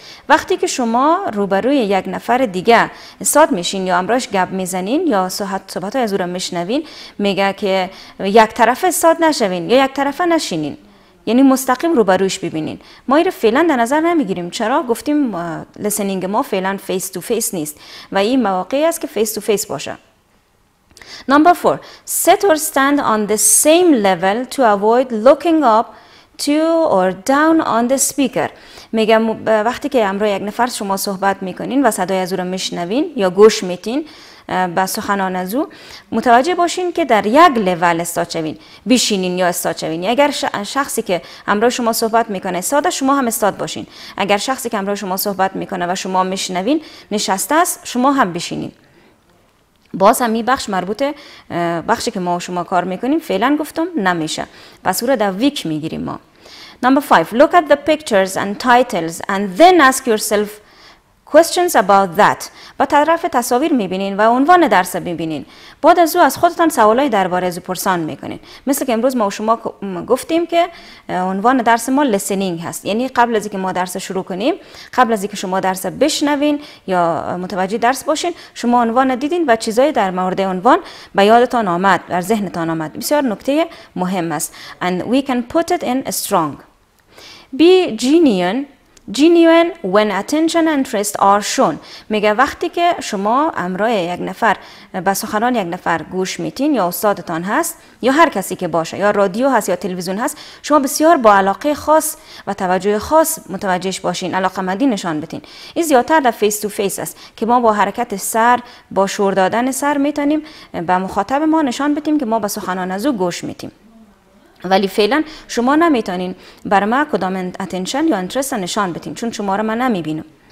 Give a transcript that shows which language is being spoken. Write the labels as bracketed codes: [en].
[fa] وقتی که شما روبروی یک نفر دیگه ایستاد میشین یا امراش گپ میزنین یا صحبت های از او را میشنوین میگه که یک طرفه ایستاد نشوین یا یک طرفه نشینین یعنی مستقیم روبرویش ببینین ما این را فعلا در نظر نمیگیریم چرا گفتیم لسنینگ ما فعلا فیس تو فیس نیست و این مواقعی است که فیس تو فیس باشه [en] Number 4 sit or stand on the same level to avoid looking up to or down on the speaker [fa] میگم وقتی که همراه یک نفر شما صحبت میکنین و صدای از او رو میشنوین یا گوش میتین به سخنان از او متوجه باشین که در یک لول استاد شوین بشینین یا استاد شوین اگر شخصی که همراه شما صحبت میکنه استاد شما هم استاد باشین اگر شخصی که همراه شما صحبت میکنه و شما میشنوین نشسته است شما هم بشینین باز هم این بخش مربوطه بخشی که ما و شما کار میکنیم فعلا گفتم نمیشه پس او رو در ویک میگیریم ما [en] Number 5. Look at the pictures and titles and then ask yourself questions about that. [fa] با طرف تصاویر میبینین و عنوان درس میبینین. بعد از او از خودتان سوالای درباره از او پرسان میکنین. مثل که امروز ما شما گفتیم که عنوان درس ما listening هست. یعنی قبل از اینکه ما درس شروع کنیم، قبل از اینکه شما درس بشنوین یا متوجه درس باشین، شما عنوان دیدین و چیزای در مورد عنوان به یادتان آمد، در ذهنتان آمد. بسیار نکته مهم است. [en] And we can put it in strong. Be genuine when attention and interest are shown. [fa] میگه وقتی که شما امرای یک نفر به سخنان یک نفر گوش میتین یا استادتان هست یا هر کسی که باشه یا رادیو هست یا تلویزیون هست شما بسیار با علاقه خاص و توجه خاص متوجهش باشین علاقه مندی نشان بتین این زیادتر در فیس تو فیس است که ما با حرکت سر با شور دادن سر میتونیم به مخاطب ما نشان بتیم که ما به سخنان از او گوش میتیم ولی فعلا شما نمیتونین بر ما کدام اتنشن یا انترست نشان بتین چون شما رو من نمیبینم.